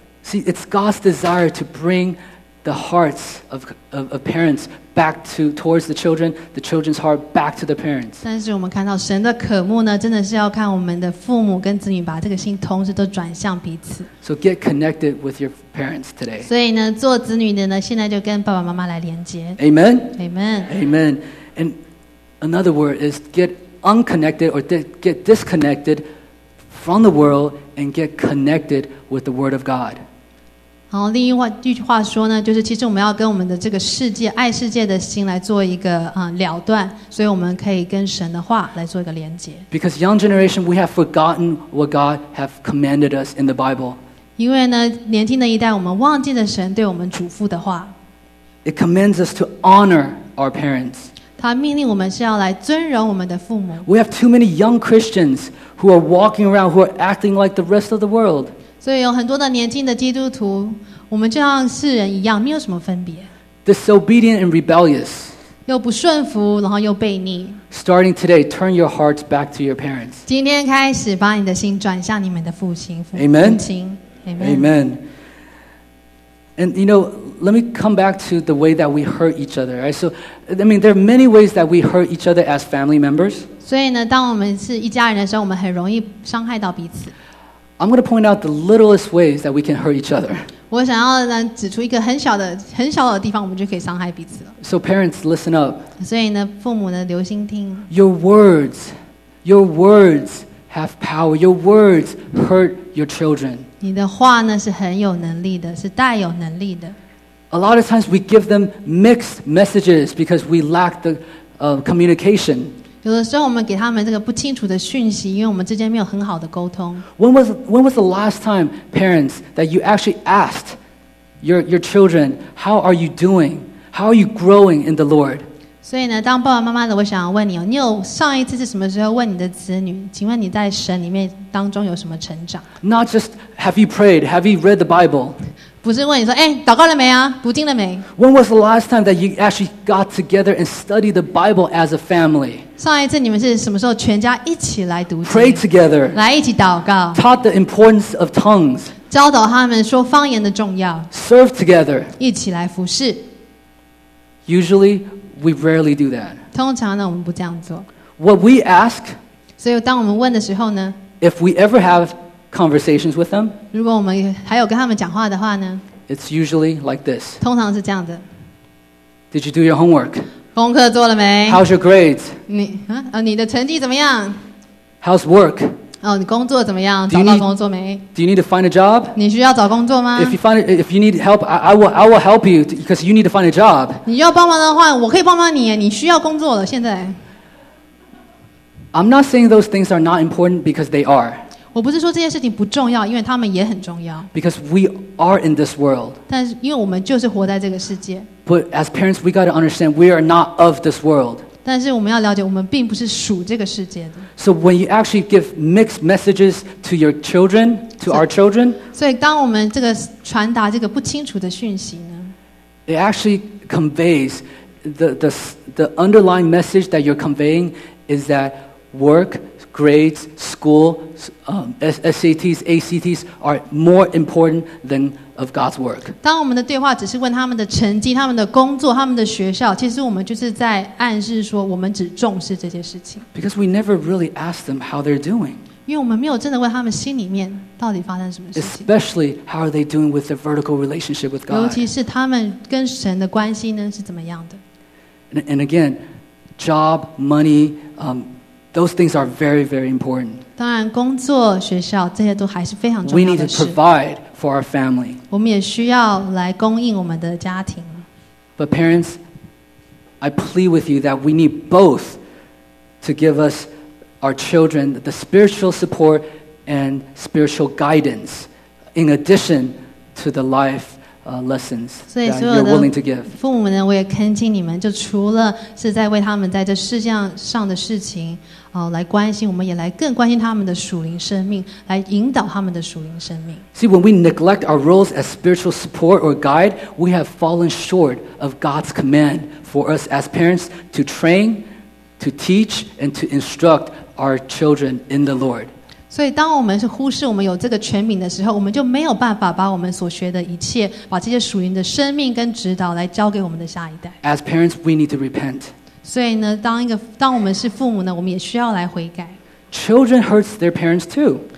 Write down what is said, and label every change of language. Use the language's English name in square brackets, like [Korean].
[English] See it's God's desire to bring the hearts of parents back to towards the children's heart back to the parents. [Chinese] 但是我们看到神的渴慕呢，真的是要看我们的父母跟子女把这个心同时都转向彼此。 [English] So get connected with your parents today. [Chinese] 所以呢，做子女的呢，现在就跟爸爸妈妈来连接。 [English] Amen. Amen. Amen. And another word is get unconnected or get disconnected from the world and get connected with the Word of God. [Chinese] 然后另一句话说呢，就是其实我们要跟我们的这个世界、爱世界的心来做一个了断，所以我们可以跟神的话来做一个连接。 [English] Because young generation, we have forgotten what God have commanded us in the Bible. [Chinese] 因为呢，年轻的一代，我们忘记了神对我们嘱咐的话。 [English] It commands us to honor our parents. [Chinese] 他命令我们是要来尊荣我们的父母。 [English] We have too many young Christians who are walking around who are acting like the rest of the world. [Chinese] 所以有很多的年轻的基督徒，我们就像世人一样，没有什么分别。 [English] Disobedient and rebellious. [Chinese] 又不顺服，然后又悖逆。 [English] Starting today, turn your hearts back to your parents. [Chinese] 今天开始，把你的心转向你们的父亲、父亲。 [English] Amen. Amen. Amen. And you know, let me come back to the way that we hurt each other. Right? So, I mean, there are many ways that we hurt each other as family members. [Chinese] 所以呢，当我们是一家人的时候，我们很容易伤害到彼此。 [English] I'm going to point out the littlest ways that we can hurt each other. [Chinese] 我想要呢指出一个很小的地方，我们就可以伤害彼此了。 [English] So parents, listen up. [Chinese] 所以呢，父母呢，留心听。 [English] Your words have power. Your words hurt your children. [Chinese] 你的话呢是很有能力的，是带有能力的。 [English] A lot of times we give them mixed messages because we lack the communication. [Chinese] 有的时候我们给他们这个不清楚的讯息，因为我们之间没有很好的沟通。 [English] When was the last time, parents, that you actually asked your children, how are you doing? How are you growing in the Lord? [Chinese] 所以呢，当爸爸妈妈的，我想要问你哦，你有上一次是什么时候问你的子女，请问你在神里面当中有什么成长？ [English] Not just have you prayed, have you read the Bible? [Chinese] 不是问你说，哎，祷告了没啊？读经了没？ [English] When was the last time that you actually got together and studied the Bible as a family? [Chinese] 上一次你们是什么时候全家一起来读经 [English] ？Pray together， [Chinese] 来一起祷告。 [English] Taught the importance of tongues， [Chinese] 教导他们说方言的重要。 [English] Serve together， [Chinese] 一起来服事。 [English] Usually we rarely do that。 [Chinese] 通常呢，我们不这样做。 [English] What we ask， [Chinese] 所以当我们问的时候呢 [English] ？If we ever have conversations with them， [Chinese] 如果我们还有跟他们讲话的话呢 [English] ？It's usually like this。 [Chinese] 通常是这样的。 [English] Did you do your homework？ [Chinese] 功课做了没 [English] ？How's your grades？ [Chinese] 你的成绩怎么样 [English] ？How's work？ [Chinese] 哦，你工作怎么样？找到工作没 [English] ？Do you need to find a job？ [Chinese] 你需要找工作吗 [English] ？If you need help, I will help you because you need to find a job。 [Chinese] 你要帮忙的话，我可以帮忙你。你需要工作了，现在。 [English] I'm not saying those things are not important because they are。 [Chinese] 我不是说这些事情不重要，因为他们也很重要。 [English] Because we are in this world。 [Chinese] 但是因为我们就是活在这个世界。 [English] But as parents, we got to understand we are not of this world. [Chinese] 但是我们要了解，我们并不是属这个世界的。 [English] So when you actually give mixed messages to your children, to our children, [Chinese] 所以当我们这个传达这个不清楚的讯息呢 [English] ，it actually conveys the underlying message that you're conveying is that work, grades, school, SATs, ACTs are more important than. Of God's work. [Chinese] 当我们的对话只是问他们的成绩、他们的工作、他们的学校，其实我们就是在暗示说，我们只重视这些事情。 [English] Because we never really ask them how they're doing. [Chinese] 因为我们没有真的问他们心里面到底发生什么事情。 [English] Especially how are they doing with their vertical relationship with God? [Chinese] 尤其是他们跟神的关系呢是怎么样的 [English] ？And again, job, money, those things are very, very important. [Chinese] 当然，工作、学校这些都还是非常重要的事。 [English] We need to provide. For our family. [Chinese] 我们也需要来供应我们的家庭。 [English] But parents, I plead with you that we need both to give us our children the spiritual support and spiritual guidance in addition to the life lessons that you're willing to give. [Chinese] 父母呢，我也恳请你们，就除了是在为他们在这世界上的事情来关心，我们也来更关心他们的属灵生命，来引导他们的属灵生命。 [English] See, when we neglect our roles as spiritual support or guide, we have fallen short of God's command for us as parents to train, to teach, and to instruct our children in the Lord. [Chinese] 所以当我们是忽视我们有这个权柄的时候，我们就没有办法把我们所学的一切，把这些属灵的生命跟指导来交给我们的下一代。 [English] As parents, we need to repent. [Chinese] 所以呢，当我们是父母呢，我们也需要来悔改。 [English] Children hurt their parents too.